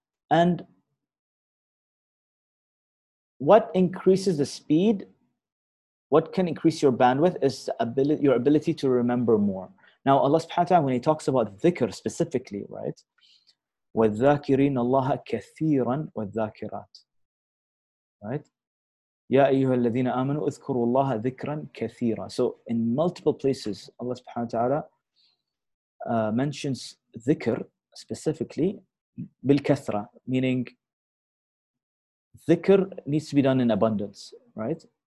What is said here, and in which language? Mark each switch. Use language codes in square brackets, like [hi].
[en] And what increases the speed, what can increase your bandwidth is your ability to remember more. Now, Allah subhanahu wa ta'ala, when he talks about dhikr specifically, right? [ar] وَالذَّاكِرِينَ اللَّهَ كَثِيرًا وَالذَّاكِرَاتِ [en] Right? [ar] يَا أَيُّهَا الَّذِينَ آمَنُوا اذْكُرُوا اللَّهَ ذِكْرًا كَثِيرًا [en] So in multiple places, Allah subhanahu wa ta'ala mentions dhikr specifically بالكثرة, meaning dhikr needs to be done in abundance, right?